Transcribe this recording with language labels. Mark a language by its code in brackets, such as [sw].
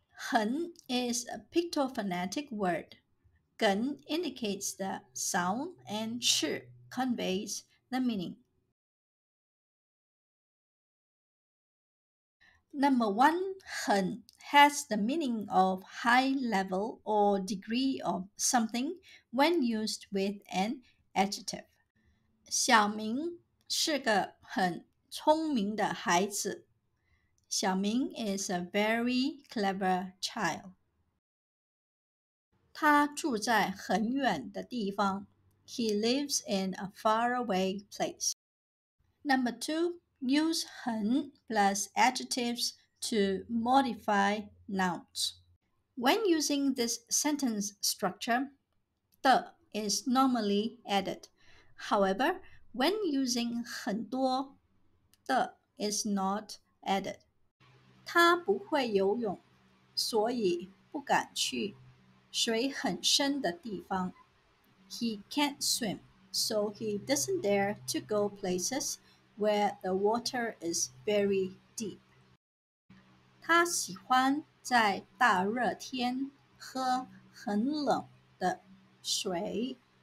[en] 很 is a pictophonetic word. 梗 indicates the sound and 去 conveys the meaning. Number 1, 很 has the meaning of high level or degree of something when used with an adjective. [zh] 小明是个很聪明的孩子. [en] 小明 is a very clever child. [zh] 他住在很远的地方. [en] He lives in a faraway place. Number 2, use 很 plus adjectives to modify nouns. When using this sentence structure, 的 is normally added. However, when using 很多, 的 is not added. [zh] 他不会游泳, 所以不敢去水很深的地方. [en] He can't swim, so he doesn't dare to go places where the water is very deep. [zh] 他喜欢在大热天喝很冷的水.